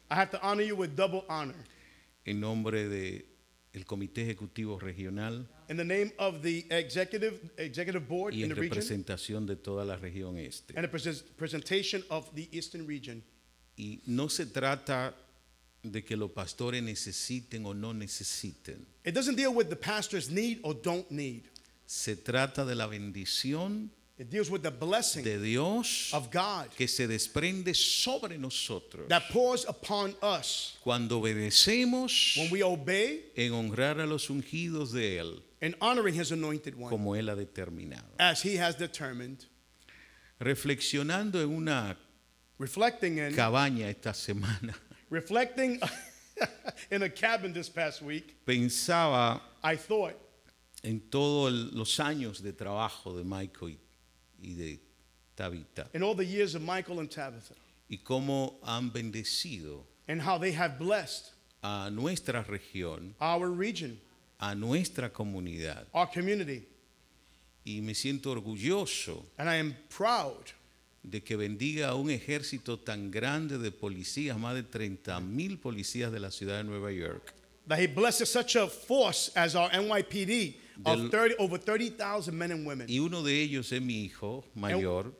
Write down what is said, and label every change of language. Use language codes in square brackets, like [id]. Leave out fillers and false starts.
[en] I have to honor you with double honor. [es] En nombre del Comité Ejecutivo Regional. [en] In the name of the Executive Board in the region. [es] Y en representación de toda la región este. [en] And a presentation of the Eastern Region. [es] Y no se trata de que los pastores necesiten o no necesiten. [en] It doesn't deal with the pastors need or don't need. [es] Se trata de la bendición. [en] It deals with the blessing [es] de Dios [en] of God [es] que se desprende sobre nosotros. [en] That pours upon us. [es] Cuando obedecemos, [en] when we obey, [es] en honrar a los ungidos de Él, [en] in honoring His anointed one, [es] como Él ha determinado. [en] As He has determined. [es] Reflexionando en una [en] reflecting in [es] cabaña esta semana. [en] Reflecting in a cabin this past week, [es] pensaba, [en] I thought, [es] en todos los años de trabajo de Michael y de Tabitha, [en] in all the years of Michael and Tabitha, [es] y cómo han bendecido, [en] and how they have blessed, [es] a nuestra región, [en] our region, [es] a nuestra comunidad, [en] our community, [es] y me siento orgulloso, [en] and I am proud, [es] de que bendiga a un ejército tan grande de policías, más de 30,000 policías de la ciudad de Nueva York. [en] That he blesses such a force as our NYPD of over 30,000 men and women. [es] Y uno de ellos es mi hijo mayor.